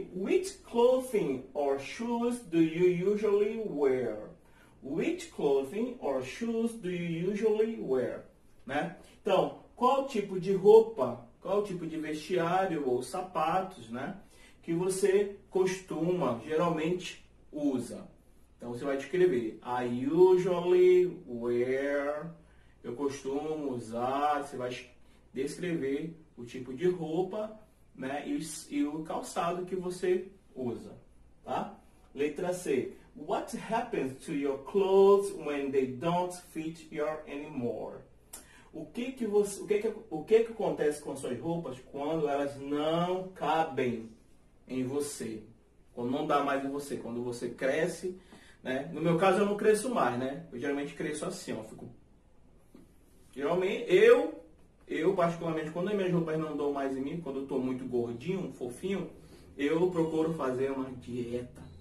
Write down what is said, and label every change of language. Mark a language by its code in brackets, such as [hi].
[en] Which clothing or shoes do you usually wear? Which clothing or shoes do you usually wear? [pt] Né? Então, qual tipo de roupa, qual tipo de vestiário ou sapatos, né, que você costuma, geralmente usa? Então, você vai escrever. [en] I usually wear. [pt] Eu costumo usar. Você vai descrever o tipo de roupa. Né? E o calçado que você usa, tá? Letra C. [en] What happens to your clothes when they don't fit you anymore? [pt] O que que acontece com suas roupas quando elas não cabem em você? Quando não dá mais em você, quando você cresce, né? No meu caso eu não cresço mais, né? Eu geralmente cresço assim, ó, fico. Geralmente eu, particularmente, quando as minhas roupas não dão mais em mim, quando eu estou muito gordinho, fofinho, eu procuro fazer uma dieta.